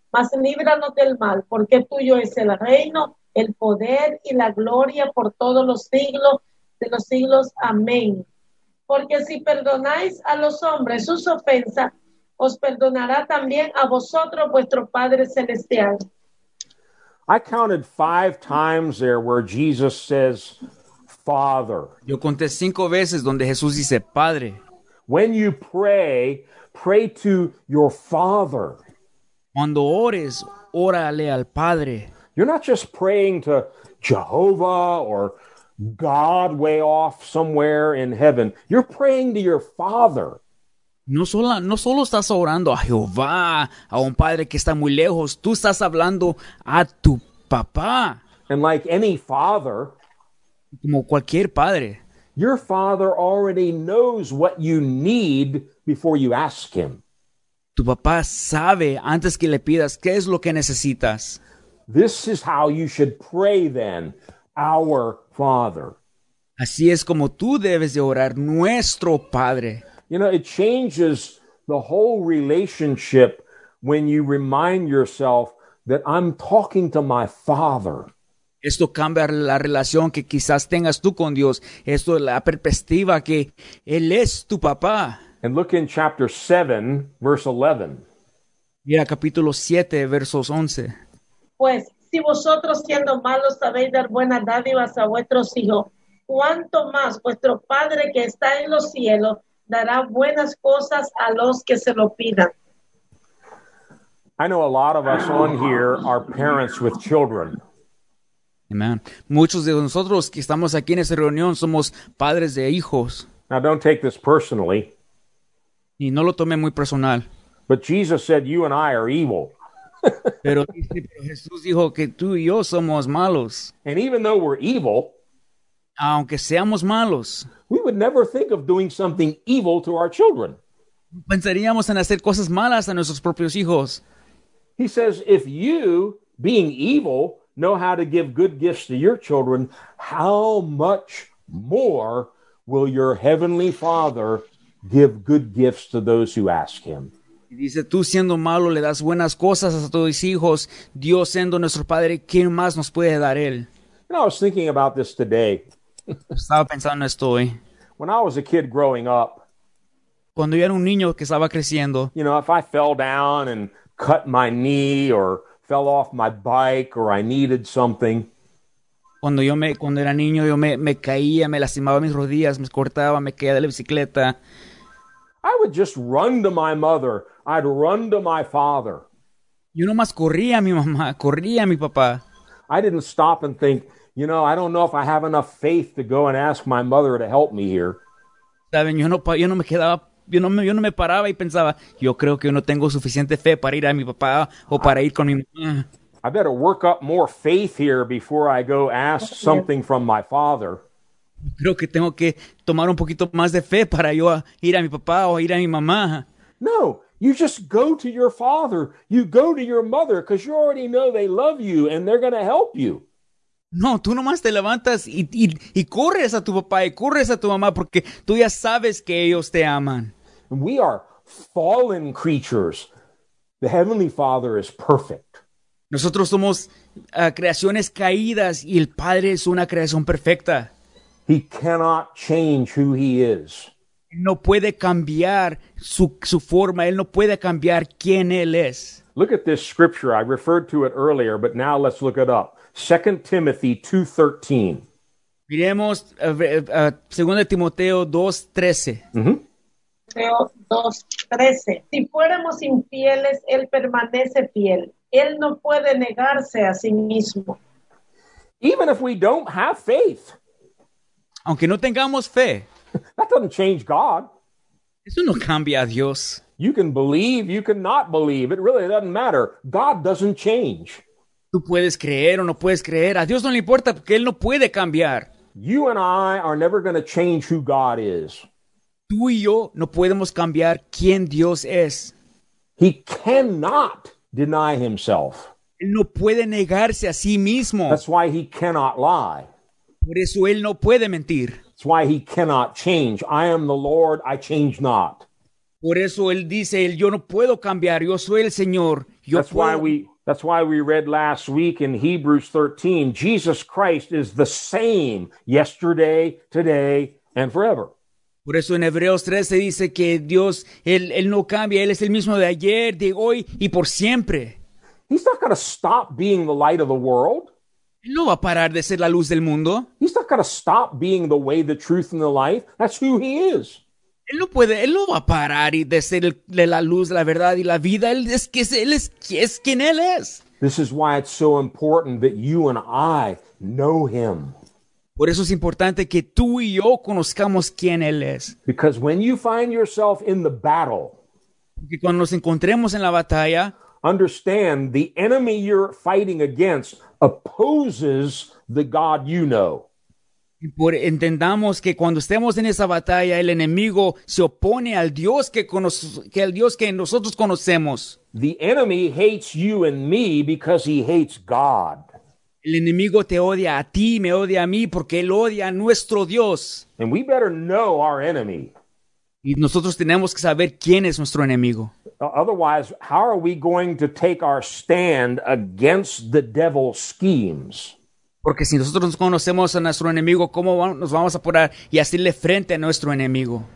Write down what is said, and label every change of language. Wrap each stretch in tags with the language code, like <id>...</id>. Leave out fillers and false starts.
<es>mas líbranos del mal, porque tuyo es el reino, el poder y la gloria por todos los siglos de los siglos. Amén. Porque si perdonáis a los hombres sus ofensas, os perdonará también a vosotros vuestro Padre Celestial.</es> <en>I counted 5 times there where Jesus says, Father.</en> <es>Yo conté 5 veces donde Jesús dice, Padre.</es> <en>When you pray, pray to your Father.</en> <es>Cuando ores, órale al Padre.</es> <en>You're not just praying to Jehovah or God way off somewhere in heaven. You're praying to your Father.</en> <es>No solo estás orando a Jehová, a un padre que está muy lejos. Tú estás hablando a tu papá.</es> <en>And like any father,</en> <es>como cualquier padre,</es> <en>your father already knows what you need before you ask him.</en> <es>Tu papá sabe antes que le pidas qué es lo que necesitas.</es> <en>This is how you should pray then, our Father.</en> <es>Así es como tú debes de orar, nuestro Padre.</es> <en>You know, it changes the whole relationship when you remind yourself that I'm talking to my Father.</en> <es>Esto cambia la relación que quizás tengas tú con Dios. Esto es la perspectiva que Él es tu papá.</es> <en>And look in chapter 7, verse 11.</en> <es>Mira, capítulo 7, versos 11. Pues, si vosotros siendo malos sabéis dar buenas dádivas a vuestros hijos, ¿cuánto más vuestro Padre que está en los cielos dará buenas cosas a los que se lo pidan?</es> <en>I know a lot of us on here are parents with children. Amen.</en> <es>Muchos de nosotros que estamos aquí en esta reunión somos padres de hijos.</es> <en>Now don't take this personally.</en> <es>Y no lo tome muy personal.</es> <en>But Jesus said you and I are evil.</en> <es>Pero Jesús dijo que tú y yo somos malos.</es> <en>And even though we're evil,</en> <es>aunque seamos malos,</es> <en>we would never think of doing something evil to our children.</en> <es>Pensaríamos en hacer cosas malas a nuestros propios hijos.</es> <en>He says, if you, being evil, know how to give good gifts to your children, how much more will your heavenly Father give good gifts to those who ask him?</en> <es>Y dice, tú siendo malo le das buenas cosas a tus hijos, Dios siendo nuestro Padre, ¿quién más nos puede dar él?</es> <en>You know, I was thinking about this today.</en> <es>Estaba pensando esto hoy.</es> <en>When I was a kid growing up,</en> <es>cuando yo era un niño que estaba creciendo,</es> <en>you know, if I fell down and cut my knee or fell off my bike or I needed something,</en> <es>cuando era niño yo me caía, me lastimaba mis rodillas, me cortaba, me caía de la bicicleta,</es> <en>I would just run to my mother. I'd run to my father.</en> <es>Yo nomás corría a mi mamá, corría a mi papá.</es> <en>I didn't stop and think, you know, I don't know if I have enough faith to go and ask my mother to help me here.</en> <es>Saben, yo no me paraba y pensaba, yo creo que yo no tengo suficiente fe para ir a mi papá o para ir con mi mamá.</es> <en>I better work up more faith here before I go ask something from my father.</en> <es>Creo que tengo que tomar un poquito más de fe para yo ir a mi papá o ir a mi mamá.</es> <en>No, you just go to your father. You go to your mother because you already know they love you and they're going to help you.</en> <es>No, tú nomás te levantas y corres a tu papá y corres a tu mamá porque tú ya sabes que ellos te aman.</es> <en>We are fallen creatures. The Heavenly Father is perfect.</en> <es>Nosotros somos creaciones caídas y el Padre es una creación perfecta.</es> <en>He cannot change who he is.</en> <es>No puede cambiar su forma. Él no puede cambiar quién él es.</es> <en>Look at this scripture. I referred to it earlier, but now let's look it up. 2 Timothy 2:13.</en> <es>Miremos 2 Timoteo 2:13. Timoteo 2:13. Si fuéramos infieles, él permanece fiel. Él no puede negarse a sí mismo.</es> <en>Even if we don't have faith.</en> <es>Aunque no tengamos fe.</es> <en>That doesn't change God.</en> <es>Eso no cambia a Dios.</es> <en>You can believe, you cannot believe. It really doesn't matter. God doesn't change.</en> <es>Tú puedes creer o no puedes creer. A Dios no le importa porque Él no puede cambiar.</es> <en>You and I are never going to change who God is.</en> <es>Tú y yo no podemos cambiar quién Dios es.</es> <en>He cannot deny himself.</en> <es>Él no puede negarse a sí mismo.</es> <en>That's why he cannot lie.</en> <es>Por eso Él no puede mentir.</es> <en>That's why he cannot change. I am the Lord, I change not.</en> <es>Por eso Él dice, yo no puedo cambiar, yo soy el Señor Yo</es> <en>that's</en> <es>puedo...</es> <en>why we read last week in Hebrews 13, Jesus Christ is the same yesterday, today, and forever.</en> <es>Por eso en Hebreos 13 dice que Dios, él no cambia, él es el mismo de ayer, de hoy y por siempre.</es> <en>He's not going to stop being the light of the world.</en> <es>Él no va a parar de ser la luz del mundo.</es> <en>He's not going to stop being the way, the truth, and the life. That's who he is.</en> <es>Él no puede, él no va a parar de ser la luz, la verdad y la vida. Él es quien él es.</es> <en>This is why it's so important that you and I know him.</en> <es>Por eso es importante que tú y yo conozcamos quién él es.</es> <en>Because when you find yourself in the battle,</en> <es>porque cuando nos encontremos en la batalla,</es> <en>understand the enemy you're fighting against opposes the God you know.</en> <es>Entendamos que cuando estemos en esa batalla, el enemigo se opone al Dios que nosotros conocemos.</es> <en>The enemy hates you and me because he hates God.</en> <es>El enemigo te odia a ti, me odia a mí, porque él odia a nuestro Dios.</es> <en>And we better know our enemy.</en> <es>Y nosotros tenemos que saber quién es nuestro enemigo.</es> <en>Otherwise, how are we going to take our stand against the devil's schemes?</en> <es>Porque si nosotros conocemos a nuestro enemigo, ¿cómo nos vamos a poner y hacerle frente a nuestro enemigo?</es>